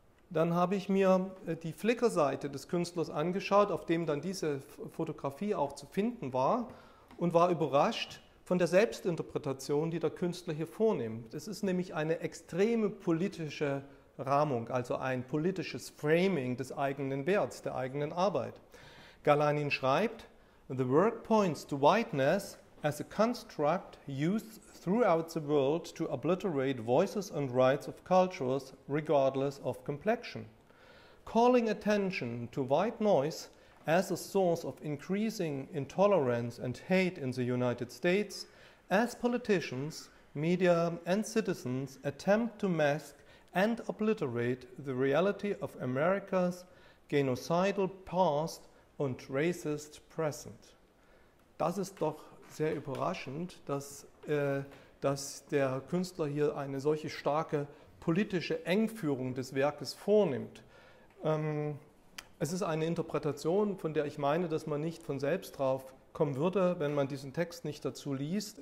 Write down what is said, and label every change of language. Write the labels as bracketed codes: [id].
[de] Dann habe ich mir die Flickr-Seite des Künstlers angeschaut, auf dem dann diese Fotografie auch zu finden war, und war überrascht von der Selbstinterpretation, die der Künstler hier vornimmt. Es ist nämlich eine extreme politische Rahmung, also ein politisches Framing des eigenen Werts, der eigenen Arbeit. [en] Galanin schreibt: "The work points to whiteness as a construct used throughout the world to obliterate voices and rights of cultures regardless of complexion. Calling attention to white noise as a source of increasing intolerance and hate in the United States, as politicians, media, and citizens attempt to mask and obliterate the reality of America's genocidal past and racist present." [de] Das ist doch sehr überraschend, dass der Künstler hier eine solche starke politische Engführung des Werkes vornimmt. Es ist eine Interpretation, von der ich meine, dass man nicht von selbst drauf kommen würde, wenn man diesen Text nicht dazu liest.